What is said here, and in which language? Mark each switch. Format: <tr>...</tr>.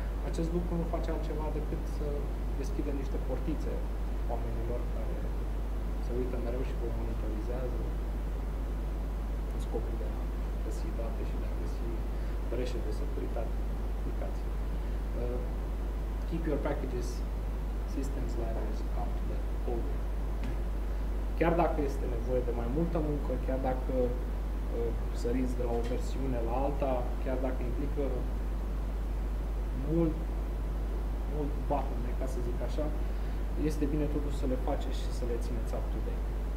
<ro>Acest lucru nu face altceva decât să deschide niște portițe oamenilor care se uită mereu și vă monitorizează în scopul de a găsi date și de a găsi breșe de securitate aplicației.</ro> <en>Keep your packages, systems, libraries, up to the code.</en> <ro>Chiar dacă este nevoie de mai multă muncă, chiar dacă săriți de la o versiune la alta, chiar dacă implică mult bottleneck, ca să zic așa, este bine totuși să le faceți și să le țineți</ro> <en>up to date.</en>